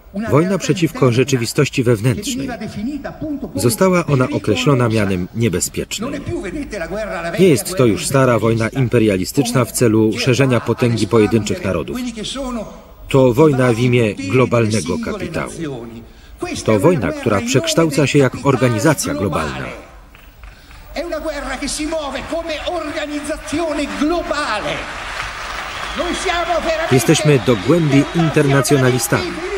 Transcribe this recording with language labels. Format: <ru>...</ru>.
<pl>Wojna przeciwko rzeczywistości wewnętrznej. Została ona określona mianem niebezpiecznej. Nie jest to już stara wojna imperialistyczna w celu szerzenia potęgi pojedynczych narodów. To wojna w imię globalnego kapitału. To wojna, która przekształca się jak organizacja globalna.</pl> <it>È una guerra che si muove come organizzazione globale. Noi siamo veramente.</it> <pl>Jesteśmy do głębi internacjonalistami.</pl>